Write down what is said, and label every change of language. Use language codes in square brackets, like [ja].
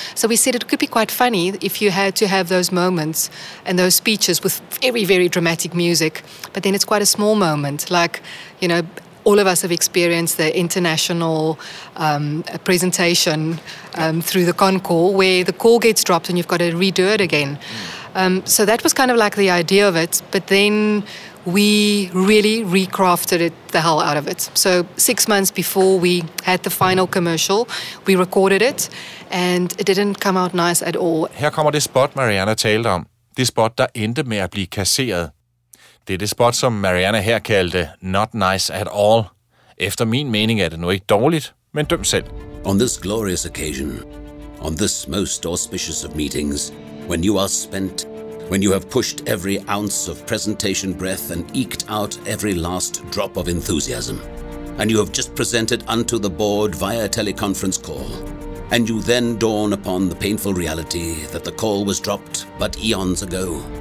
[en] So we said it could be quite funny if you had to have those moments and those speeches with very, very dramatic music, but then it's quite a small moment, like, you know, all of us have experienced the international presentation through the Concorde, where the call gets dropped and you've got to redo it again. So that was kind of like the idea of it, but then we really recrafted it the hell out of it. So 6 months before we had the final commercial, we recorded it, and it didn't come out nice at all. [da] Her kommer det spot, Marianne talte om. Det spot, der endte med at blive kasseret. Det er det spot, som Marianne her kaldte not nice at all. Efter min mening er det nu ikke dårligt, men døm selv. [en] On this glorious occasion, on this most auspicious of meetings, when you are spent, when you have pushed every ounce of presentation breath and eked out every last drop of enthusiasm, and you have just presented unto the board via teleconference call, and you then dawn upon the painful reality that the call was dropped but eons ago.